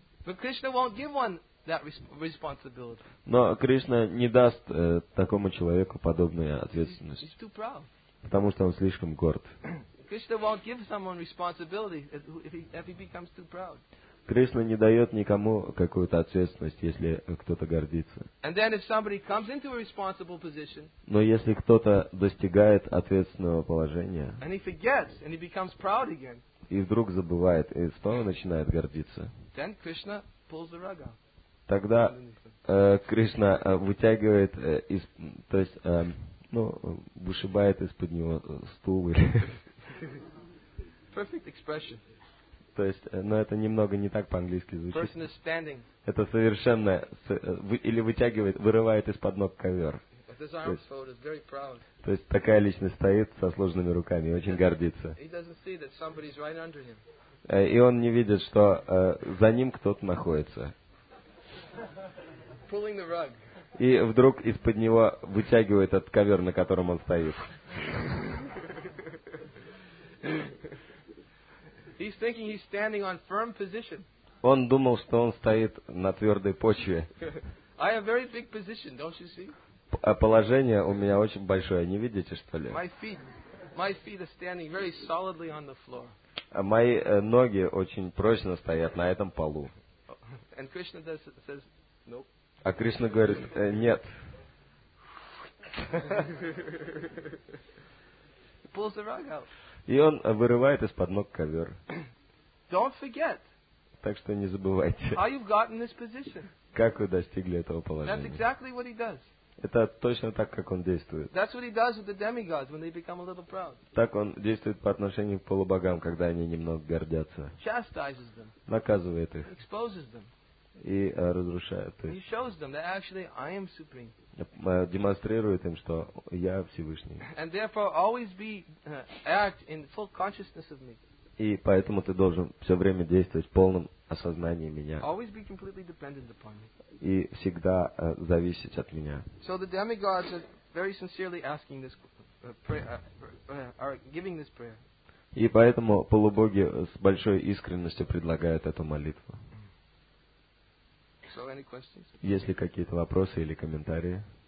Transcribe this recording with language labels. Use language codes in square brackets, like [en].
[ru] Но Кришна не даст такому человеку подобную ответственность. Потому что он слишком горд. [en] Krishna won't give someone responsibility if he becomes too proud. [ru] Кришна не дает никому какую-то ответственность, если кто-то гордится. [en] And then if somebody comes into a responsible position. [ru] Но если кто-то достигает ответственного положения. [en] And he forgets and he becomes proud again. [ru] И вдруг забывает и снова начинает гордиться. [en] Then Krishna pulls the rug out. [ru] Тогда Кришна вытягивает из, то есть, ну, вышибает из-под него стул или. [en] Perfect expression. [ru] То есть, но это немного не так по-английски звучит. [en] Person is standing. [ru] Это совершенно или вытягивает, вырывает из-под ног ковер. То есть такая личность стоит со сложными руками и очень гордится. [en] He doesn't see that somebody's right under him. [ru] И он не видит, что за ним кто-то находится. [en] pulling the rug. [ru] И вдруг из-под него вытягивает этот ковер, на котором он стоит. [en] He's thinking he's standing on firm position. [ru] Он думал, что он стоит на твердой почве. [en] I have very big position, don't you see? [ru] Положение у меня очень большое, не видите, что ли? [en] My feet are standing very solidly on the floor. [ru] Мои ноги очень прочно стоят на этом полу. [en] And Krishna says, nope. [ru] А Кришна говорит, нет. [en] He pulls the rug out. [ru] И он вырывает из-под ног ковер. [en] Don't forget. [ru] Так что не забывайте. [en] How you've gotten this position. [ru] Как вы достигли этого положения? [en] That's exactly what he does. [ru] Это точно так, как он действует. [en] That's what he does with the demigods when they become a little proud. [ru] Так он действует по отношению к полубогам, когда они немного гордятся. [en] Chastises them. [ru] Наказывает их. [en] Exposes them. [ru] И разрушает их. [en] He shows them that actually I am supreme. [ru] Демонстрирует им, что я Всевышний. [en] And therefore always be act in full consciousness of me. [ru] И поэтому ты должен все время действовать в полном осознании меня. [en] Always be completely dependent upon me. [ru] И всегда зависеть от меня. [en] So the demigods are very sincerely asking this prayer, are giving this prayer. [ru] И поэтому полубоги с большой искренностью предлагают эту молитву. [en] So any questions? [ru] Есть ли какие-то вопросы или комментарии?